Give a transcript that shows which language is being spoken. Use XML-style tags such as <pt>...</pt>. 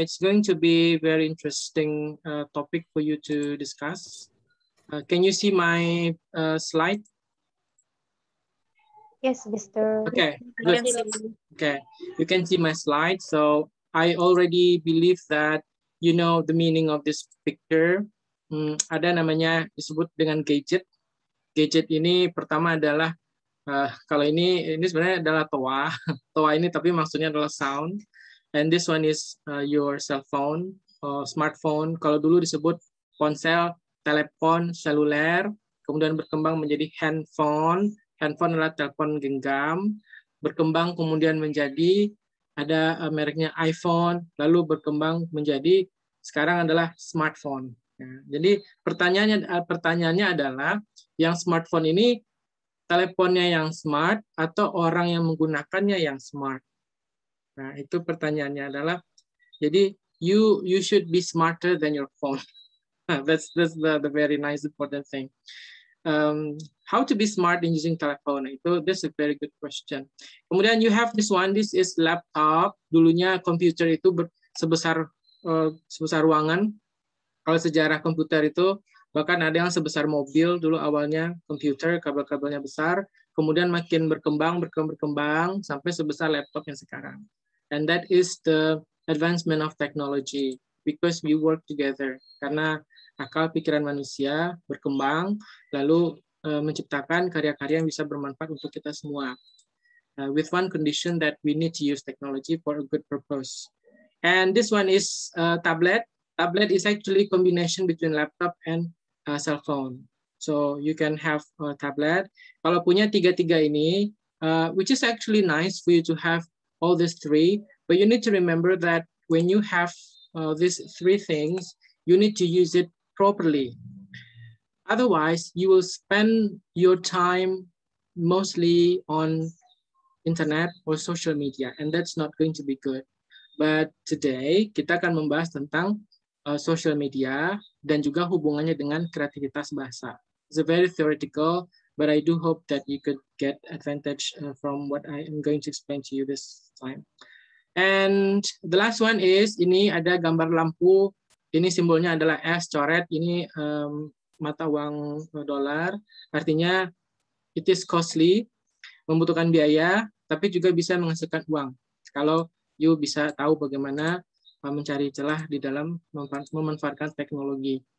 <en>It's going to be very interesting topic for you to discuss. Can you see my slide? Yes, Mr. Okay, good. Okay, you can see my slide. So I already believe that you know the meaning of this picture.</en> <id>Ada namanya disebut dengan gadget. Gadget ini pertama adalah kalau ini sebenarnya adalah toa. Toa ini tapi maksudnya adalah sound.</id> <en>And this one is your cell phone, smartphone.</en> <id>Kalau dulu disebut ponsel, telepon seluler, kemudian berkembang menjadi handphone. Handphone adalah telepon genggam, berkembang kemudian menjadi ada mereknya iPhone, lalu berkembang menjadi sekarang adalah smartphone. Jadi pertanyaannya adalah yang smartphone ini teleponnya yang smart atau orang yang menggunakannya yang smart. Nah, itu pertanyaannya adalah jadi</id> <en>you should be smarter than your phone. That's the very nice important thing. How to be smart in using telephone?</en> <id>Itu</id> <en>this is a very good question.</en> <id>Kemudian</id> <en>you have this one, this is laptop.</en> <id>Dulunya komputer itu sebesar ruangan. Kalau sejarah komputer itu, bahkan ada yang sebesar mobil, dulu awalnya komputer, kabel-kabelnya besar, kemudian makin berkembang, sampai sebesar laptop yang sekarang.</id> <en>And that is the advancement of technology, because we work together.</en> <id>Karena akal pikiran manusia berkembang, lalu menciptakan karya-karya yang bisa bermanfaat untuk kita semua.</id> <en>With one condition that we need to use technology for a good purpose. And this one is tablet. Tablet is actually combination between laptop and cell phone. So you can have a tablet.</en> <id>Kalau punya tiga-tiga ini,</id> <en>which is actually nice for you to have all these three, but you need to remember that when you have these three things, you need to use it properly. Otherwise, you will spend your time mostly on internet or social media, and that's not going to be good. But today,</en> <id>kita akan membahas tentang social media dan juga hubungannya dengan kreativitas bahasa.</id> <en>It's a very theoretical, but I do hope that you could get advantage from what I am going to explain to you this time. And the last one is</en> <id>ini ada gambar lampu. Ini simbolnya adalah S coret. Ini mata uang dolar. Artinya</id> <en>it is costly,</en> <id>membutuhkan biaya, tapi juga bisa menghasilkan uang. Kalau you bisa tahu bagaimana mencari celah di dalam memanfaatkan teknologi.</id>